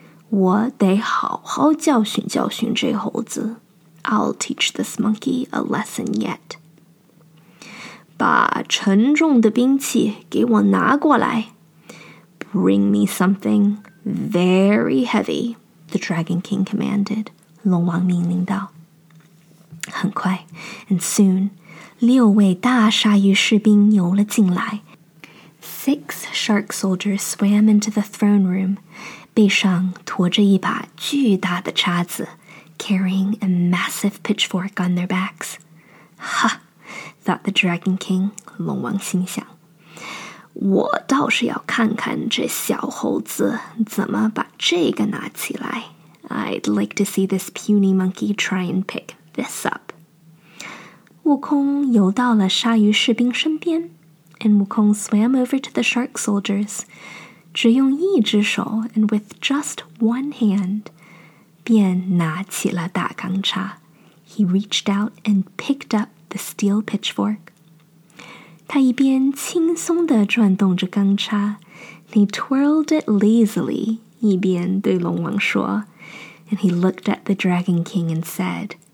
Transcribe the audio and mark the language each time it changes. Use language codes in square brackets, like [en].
[zh] 我得好好教训教训这猴子。 [en] I'll teach this monkey a lesson yet. [zh] 把沉重的兵器给我拿过来。 [en] Bring me something very heavy, the Dragon King commanded. [zh] 龙王命令道。很快, [en] and soon, [zh] 六位大鲨鱼士兵游了进来。 [en] Six shark soldiers swam into the throne room, [zh] 背上驮着一把巨大的叉子, [en] carrying a massive pitchfork on their backs. Ha! thought the Dragon King, [zh] 龙王心想。我倒是要看看这小猴子怎么把这个拿起来。 [en] I'd like to see this puny monkey try and pick this up. [zh] 悟空游到了鲨鱼士兵身边, [en] and 悟空 swam over to the shark soldiers. [zh] 只用一只手 [en] and with just one hand, [zh] 便拿起了大钢叉。 [en] He reached out and picked up the steel pitchfork. [zh] 他一边轻松地转动着钢叉, [en] he twirled it lazily, [zh] 一边对龙王说, [en] and he looked at the Dragon King and said,